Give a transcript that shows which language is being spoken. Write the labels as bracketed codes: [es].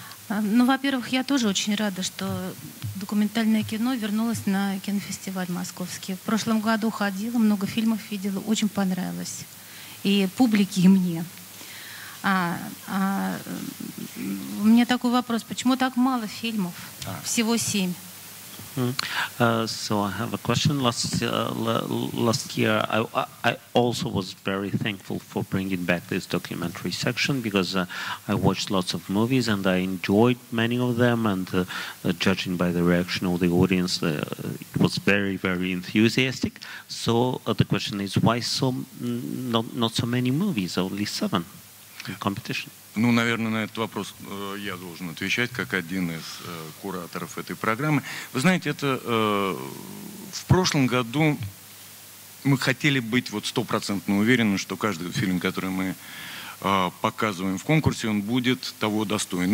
[ru] Ну, во-первых, я тоже очень рада, что документальное кино вернулось на кинофестиваль московский. В прошлом году ходила, много фильмов видела, очень понравилось. И публике, и мне. У меня такой вопрос, почему так мало фильмов? Всего 7. [en] So I have a question. Last year, I also was very thankful for bringing back this documentary section because I watched lots of movies and I enjoyed many of them. And judging by the reaction of the audience, it was very, very enthusiastic. So the question is, why not so many movies, only 7 in competition? [ru] Ну, наверное, на этот вопрос я должен отвечать, как один из кураторов этой программы. Вы знаете, это в прошлом году мы хотели быть вот 100% уверены, что каждый фильм, который мы показываем в конкурсе, он будет того достоин.